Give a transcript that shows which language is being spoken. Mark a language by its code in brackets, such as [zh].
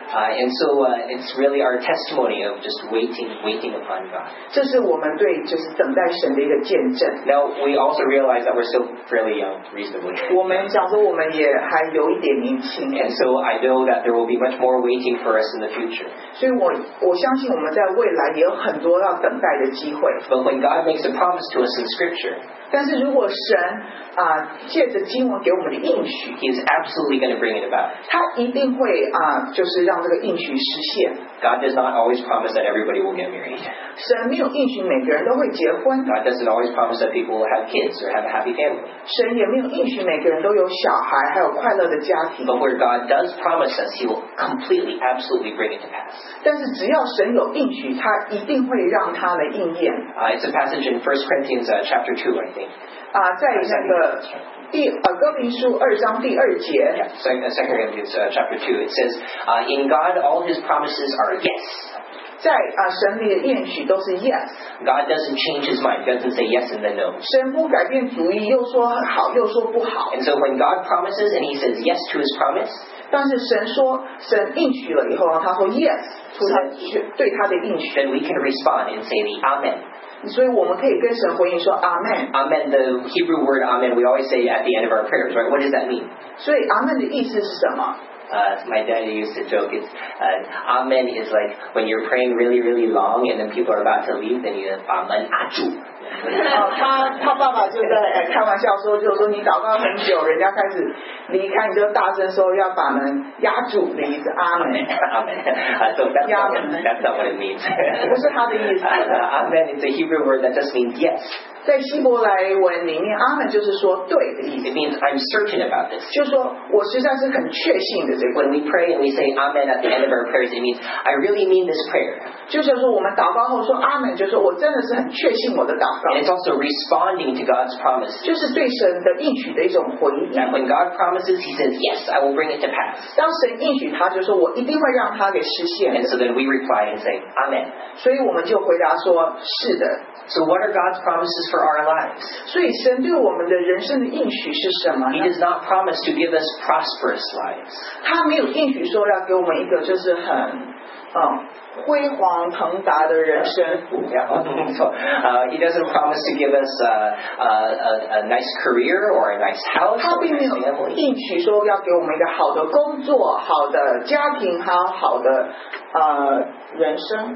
[en] And so it's really our testimony of just waiting upon God. [zh] 这是我们对就是等待神的一个见证。 [en] Now we also realize that we're still fairly young, reasonably. [zh] 我们讲说我们也还有一点年轻。 [en] And so I know that there will be much more waiting for us in the future. [zh] 所以我相信我们在未来也有很多要等待的机会。 [en] But when God makes a promise to us in Scripture. [zh] 但是如果神啊、借着经文给我们的应许 [en] ，He is absolutely going to bring it about. [zh] 他一定会啊、就是让这个应许实现。 [en] God does not always promise that everybody will get married. [zh] 神没有应许每个人都会结婚。 [en] God doesn't always promise that people will have kids or have a happy family. [zh] 神也没有应许每个人都有小孩还有快乐的家庭。 [en] But where God does promise us, He will completely, absolutely bring it to pass. [zh] 但是只要神有应许，他一定会让他来应验。 [en] It's a passage in 1 Corinthians chapter 2, right? [zh] 在那个第哥林书二章第二节 [en] Second Corinthians chapter 2 it says in God all his promises are yes [zh] 在神里的应许都是 yes [en] God doesn't change his mind doesn't say yes and then no [zh] 神不改变主意又说好又说不好 [en] and so when God promises and he says yes to his promise [zh] 但是神说神应许了以后他说 yes 出他对他的应许 [en] then we can respond and say the amen [ja] それを [zh] 我们可以跟神回应说 Amen [en] Amen, the Hebrew word Amen we always say at the end of our prayers, right? What does that mean? [ja] そう、 [zh] Amen の意思是什么 [en] My daddy used to joke, it's, Amen is like when you're praying really, really long and then people are about to leave, then you have Amen, Aju. [zh] 他爸爸就在开玩笑说，就说你祷告很久，人家开始离开，你就大声说要把门压住，你意思 Amen. [en] That's not what it means. [zh] 不是他的意思。 [en] Amen is a Hebrew word that just means yes. [zh] 在希伯来文里面，阿门就是说对的意思。 [en] It means I'm certain about this. [zh] 就是说我实在是很确信的这个。 [en] When we pray and we say Amen at the end of our prayers, it means I really mean this prayer. [zh] 就是说我们祷告后说阿门，就是说我真的是很确信我的祷告。 [en] And it's also responding to God's promise. [zh] 就是对神的应许的一种回应。 [en] And when God promises, He says yes, I will bring it to pass. [zh] 当神应许他，就是说我一定会让他给实现。 [en] And so then we reply and say Amen. [zh] 所以我们就回答说是的。 [en] So what are God's promises for our lives? [zh] 所以神对我们的人生的应许是什么呢? [en] He does not promise to give us prosperous lives. [zh] 他没有应许说要给我们一个就是很辉煌腾达的人生。 [en] He doesn't promise to give us a nice career or a nice house. [zh] 他并没有应许说要给我们一个好的工作、好的家庭、好的人生。